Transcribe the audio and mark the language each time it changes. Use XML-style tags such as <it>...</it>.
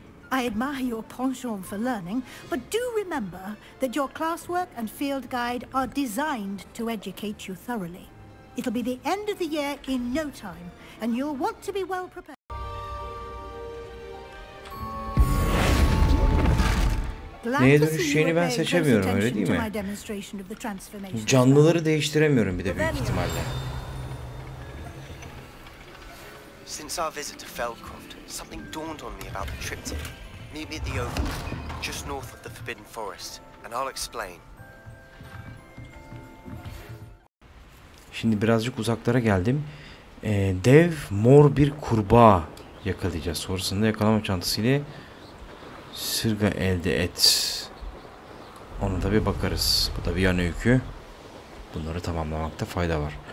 <en>I admire your penchant for learning, but do remember that your classwork and field guide are designed to educate you thoroughly. It'll be the end of the year in no time, and you'll want to be well prepared.</en> <tr>Neye dönüşeceğini ben seçemiyorum, öyle değil mi? Canlıları değiştiremiyorum bir de büyük ihtimalle.</tr> <en>Since our visit to Felcroft, something dawned on me about the triptych. Meet me at the Oval, just north of the Forbidden Forest, and I'll explain.</en> <tr>Şimdi birazcık uzaklara geldim. Dev mor bir kurbağa yakalayacağız. Sonrasında yakalama çantasıyla sırga elde et. Ona da bir bakarız. Bu da bir yan öykü. Bunları tamamlamakta fayda var.</tr>